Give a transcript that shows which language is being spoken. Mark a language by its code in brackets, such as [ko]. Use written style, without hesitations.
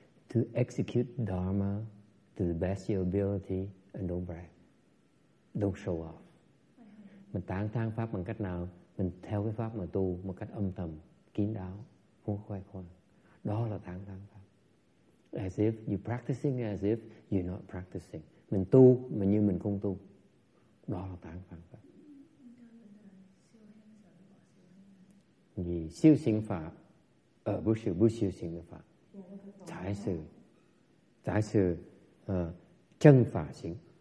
[en] To execute Dharma to the best of your ability and don't brag. Don't show off. [vi] Mình tán thán pháp bằng cách nào? Mình theo cái pháp mà tu một cách âm thầm, kín đáo, không khoe khoang. Đó là tán thán pháp. [en] As if you're practicing, as if you're not practicing. [vi] Mình tu mà như mình không tu. Đó là tán thán pháp. Vì siêu sinh pháp ở bu siêu sinh pháp trái sự chân phả sinh.